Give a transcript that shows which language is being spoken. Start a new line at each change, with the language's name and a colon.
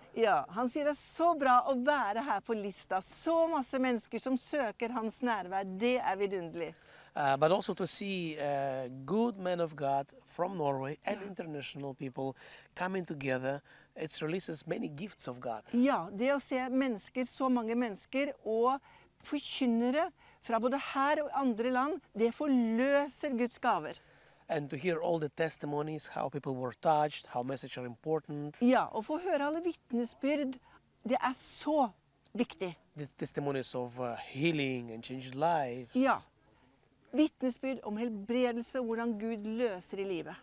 Norwegian: Ja, han sier det så bra å være her på Lista. Så masse mennesker som søker hans nærvær, det vidunderlig.
English: But also to see good men of God from Norway and international people coming together, it releases many gifts of God.
Norwegian: Ja, det å se mennesker, så mange mennesker, og forkynnere fra både her og andre land, det forløser Guds gaver.
English: And to hear all the testimonies, how people were touched, how messages are important.
Norwegian: Ja, og få høre alle vitnesbyrd, det så viktig.
English: The testimonies of healing and changed lives.
Norwegian: Ja, vitnesbyrd om helbredelse, hvordan Gud løser i livet.